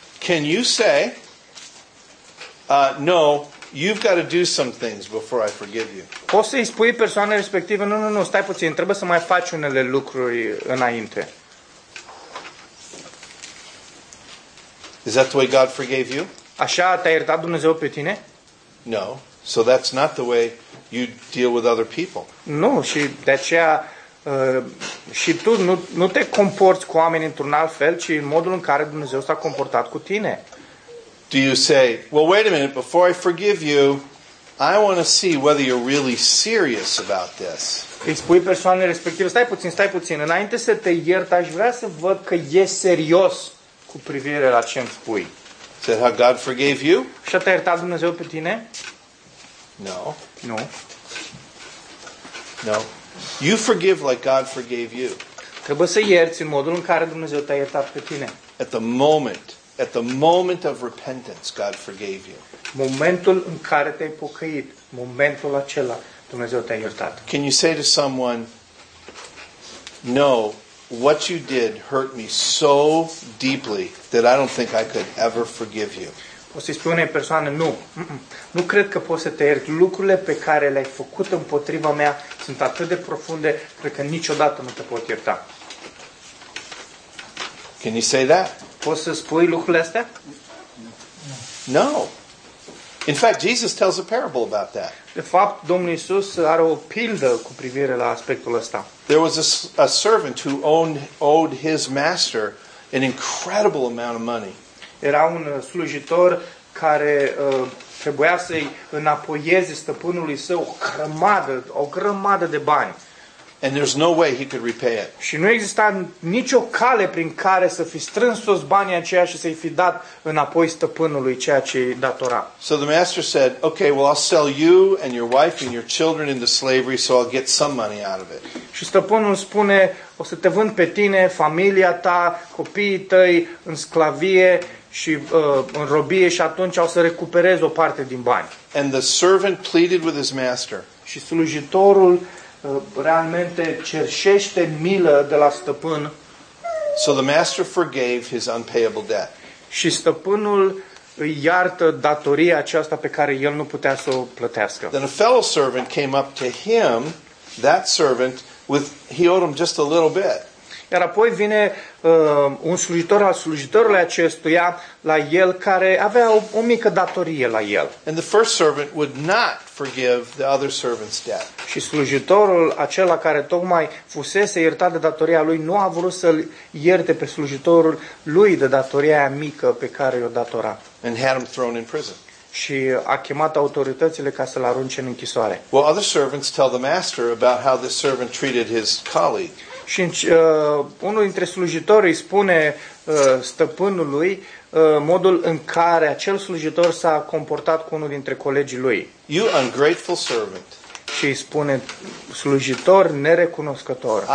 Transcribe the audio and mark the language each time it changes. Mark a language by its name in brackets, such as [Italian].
[English] Can you say, no, you've got to do some things before I forgive you. [Romanian] Poți să-i spui persoanei respective, nu, stai puțin, trebuie să mai faci unele lucruri înainte. [English] Is that the way God forgave you? [Romanian] Așa te-a iertat Dumnezeu pe tine? [English] No. So that's not the way you deal with other people. [Romanian] Nu, și de aceea și tu nu te comporți cu oamenii într-un alt fel, ci în modul în care Dumnezeu s-a comportat cu tine. [English] Do you say, well, wait a minute, before I forgive you, I want to see whether you're really serious about this. [Romanian] Îi spui persoanei respective, stai puțin, înainte să te iert, aș vrea să văd că ești serios cu privire la ce îmi spui. [English] Is that how God forgave you? [Romanian] Și a te iertat Dumnezeu pe tine? [English] No. No. No. You forgive like God forgave you. [Romanian] Trebuie să ierți în modul în care Dumnezeu te-a iertat pe tine. [English] At the moment of repentance, God forgave you. [Romanian] Momentul în care te-ai pocăit, momentul acela, Dumnezeu te-a iertat. [English] Can you say to someone, no, what you did hurt me so deeply that I don't think I could ever forgive you? [Romanian] Poți să-i spui unei persoane, nu, nu cred că poți să te iert. Lucrurile pe care le-ai făcut împotriva mea sunt atât de profunde, cred că niciodată nu te pot ierta. [English] Can you say that? [Romanian] Poți să spui lucrurile astea? [English] No. In fact, Jesus tells a parable about that. [Romanian] De fapt, Domnul Iisus are o pildă cu privire la aspectul ăsta. [English] There was a servant who owed his master an incredible amount of money. [Romanian] Era un slujitor care trebuia să-i înapoieze stăpânului său o grămadă de bani. [English] And there's no way he could repay it. [Romanian] Și nu exista nicio cale prin care să fi strâns toți banii aceia și să-i fi dat înapoi stăpânului ceea ce îi datora. [English] So the master said, okay, well I'll sell you and your wife and your children into slavery so I'll get some money out of it. [Romanian] Și stăpânul spune, o să te vând pe tine, familia ta, copiii tăi în sclavie și în robie și atunci o să recuperez o parte din bani. [English] And the servant pleaded with his master. [Romanian] Și slujitorul realmente cerșește milă de la stăpân. [English] So the master forgave his unpayable debt. [Romanian] Și stăpânul îi iartă datoria aceasta pe care el nu putea să o plătească. [English] Then a fellow servant came up to him, that servant, he owed him just a little bit. [Romanian] Iar apoi vine un slujitor al slujitorului acestuia la el care avea o mică datorie la el. [English] And the first servant would not forgive the other servant's debt. [Romanian] Și slujitorul acela care tocmai fusese iertat de datoria lui nu a vrut să-l ierte pe slujitorul lui de datoria aia mică pe care i-o datora. [English] And had him thrown in prison. [Romanian] și a chemat autoritățile ca să-l arunce în închisoare. [English] Well, other servants tell the master about how this servant treated his colleague. [Romanian] Și unul dintre slujitori îi spune stăpânului modul în care acel slujitor s-a comportat cu unul dintre colegii lui. [English] You ungrateful servant. [Romanian] Și îi spune slujitor nerecunoscător.